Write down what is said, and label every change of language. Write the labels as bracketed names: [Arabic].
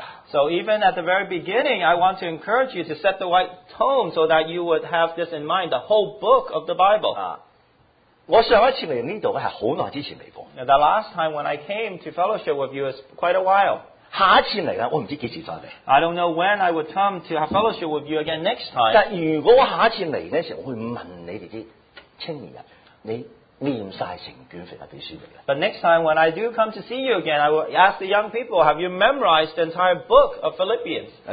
[English] So even at the very beginning, I want to encourage you to set the right tone so that you would have this in mind, the whole book of the Bible. [Chinese] 我上一次来这里是很久之前来过。 [English] Now the last time when I came to fellowship with you is quite a while. [Chinese] 下一次来我不知道何时再来。 [English] I don't know when I would come to have fellowship with you again next time. [Chinese] 但如果我下一次来的时候，我会问你们这些青年人，你。 [English] But next time when I do come to see you again, I will ask the young people, have you memorized the entire book of Philippians?